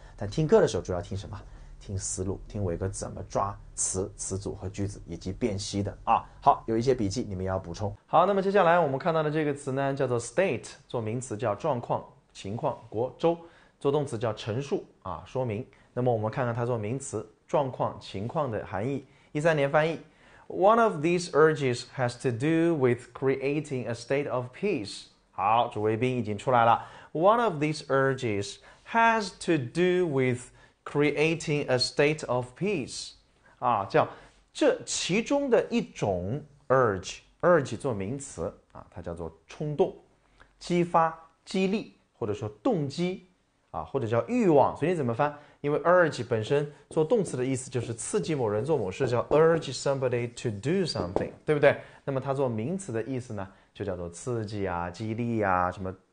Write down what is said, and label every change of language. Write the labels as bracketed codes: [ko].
[zh] 但听歌的时候主要听什么？听思路，听伟哥怎么抓词、词组和句子以及辨析的啊。好，有一些笔记你们也要补充。好，那么接下来我们看到的这个词呢，叫做 state，做名词叫状况、情况、国、州；做动词叫陈述啊、说明。那么我们看看它做名词状况、情况的含义。 13年翻译。 [en] One of these urges has to do with creating a state of peace. [zh] 好，主谓宾已经出来了。 [en] One of these urges has to do with creating a state of peace. [zh] 啊，叫这其中的一种 urge 做名词啊，它叫做冲动、激发、激励，或者说动机啊，或者叫欲望。所以你怎么翻？因为 urge 本身做动词的意思就是刺激某人做某事，叫 [en] urge somebody to do something， [zh] 对不对？那么它做名词的意思呢，就叫做刺激啊、激励啊、什么